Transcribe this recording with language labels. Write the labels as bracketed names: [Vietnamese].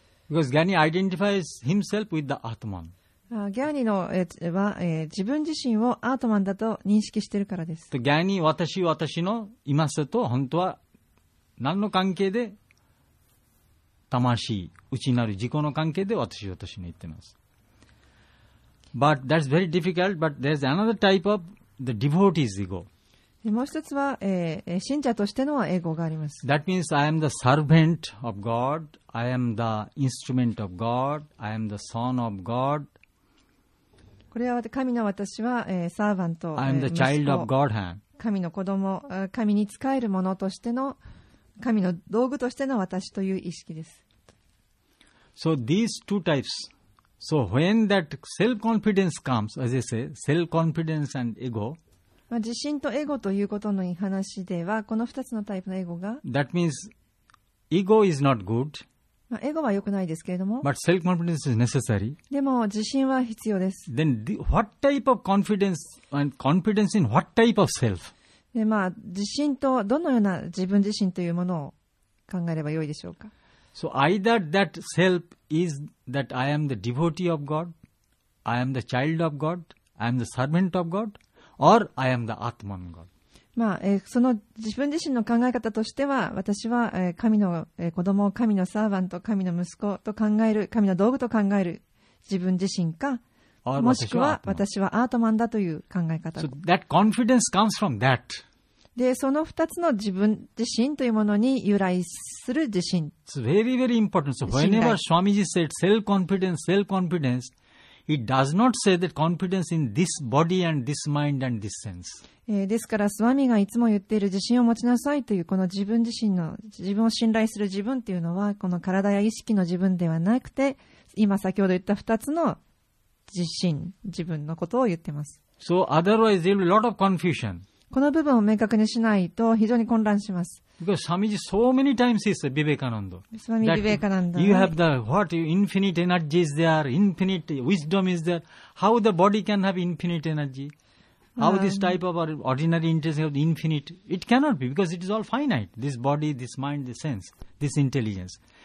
[English] Because Gyani identifies himself with the Atman. [Japanese] ギャーニのは、自分自身をアートマンだと認識しているからです。ギャーニ、私のいますと本当は何の関係で魂、内なる自己の関係で私を私に言っています。 [English] But that's very difficult, but there's another type of the devotee's ego. [Japanese] もう一つは、信者としてのエゴがあります。 [English] That means I am the servant of God, I am the instrument of God, I am the son of God. [Japanese] これは神の私は、サーヴァント、 [English] I am the child of Godhead. [Japanese] 神の子供、神に仕えるものとしての神の道具としての私という意識です。 [English] So these two types. So when that self-confidence comes, as I say, self-confidence and ego. [Japanese] まあ、自信とエゴということの話では、この2つのタイプのエゴが。 [English] That means ego is not good. [Japanese] まあ、エゴは良くないですけれども。 [English] But self-confidence is necessary. [Japanese] でも自信は必要です。 [English] Then what type of confidence and confidence in what type of self? [Japanese] でまあ、自信とどのような自分自身というものを考えればよいでしょうか。 [English] So either that self is that I am the devotee of God, I am the child of God, I am the servant of God, or I am the Atman God. [Japanese] まあ、その自分自身の考え方としては、私は神の子供、神のサーヴァント、神の息子と考える、神の道具と考える自分自身か、もしくは私はアートマンだという考え方。 [English] So that confidence comes from that. [Japanese] で、その2つの自分自身というものに由来する自信。 [English] It's very, very important. So whenever Swamiji said self-confidence, self-confidence, he does not say that confidence in this body and this mind and this sense. [Japanese] ですから、スワミがいつも言っている自信を持ちなさいというこの自分自身の自分を信頼する自分というのは、この体や意識の自分ではなくて、今先ほど言った2つの自身、自分のことを言ってます。 [English] So otherwise there will be a lot of confusion. [Japanese] この部分を明確にしないと非常に混乱します。 [English] Because Swamiji so many times says Vivekananda. Swami Vivekananda. You have the what? Infinite energy is there, infinite wisdom is there. How the body can have infinite energy? How this type of ordinary intelligence have infinite? It cannot be because it is all finite. This body, this mind, this sense, this intelligence.